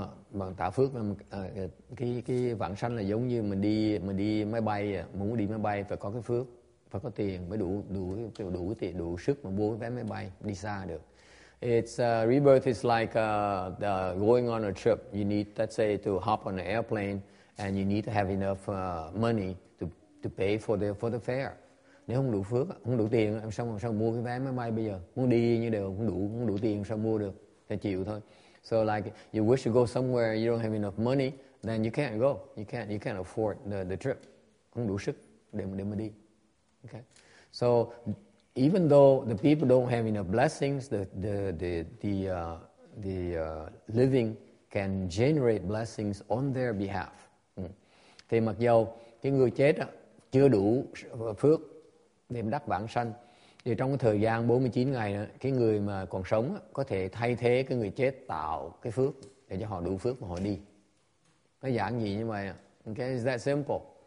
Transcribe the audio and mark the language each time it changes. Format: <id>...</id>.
<vi>Bằng tạo phước cái vãng sanh là giống như mình đi máy bay, muốn đi máy bay phải có cái phước, phải có tiền mới đủ tiền, đủ sức mà mua vé máy bay đi xa được.</vi> <en>It's rebirth is like going on a trip. You need, let's say, to hop on an airplane, and you need to have enough money to pay for the fare.</en> <vi>Nếu không đủ phước, không đủ tiền, em sao mua cái vé máy bay bây giờ? Muốn đi như đều không đủ tiền sao mua được? Thì chịu thôi.</vi> <en>So like you wish to go somewhere, you don't have enough money, then you can't go. You can't afford the trip.</en> <vi>Không đủ sức để mà đi. Okay.</vi> <en>So even though the people don't have enough blessings, the living can generate blessings on their behalf.</en> <vi>Thì mặc dầu cái người chết chưa đủ phước để đắc vãng sanh, thì trong cái thời gian 49 ngày đó, cái người mà còn sống đó, có thể thay thế cái người chết tạo cái phước để cho họ đủ phước mà họ đi. Nó giản gì như vậy?</vi> <en>Okay, it's that simple.</en>